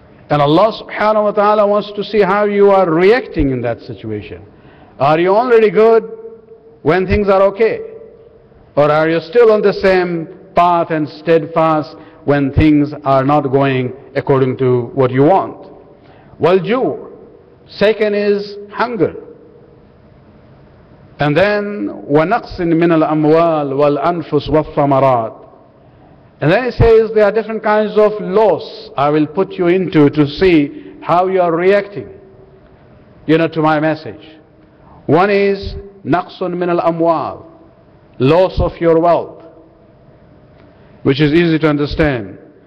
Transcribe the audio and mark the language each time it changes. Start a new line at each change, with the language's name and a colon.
English: And Allah subhanahu wa ta'ala wants to see how you are reacting in that situation. Are you already good when things are okay? Or are you still on the same path and steadfast when things are not going according to what you want? Well, jū. Second is hunger. And then,
Arabic: وَنَقْصٍ مِنَ الْأَمْوَالِ وَالْأَنْفُسِ وَالثَّمَرَاتِ.
English: And then it says, there are different kinds of loss I will put you into to see how you are reacting, you know, to my message. One is
Arabic: نَقْصٌ مِنَ الْأَمْوَالِ,
English: loss of your wealth, which is easy to understand.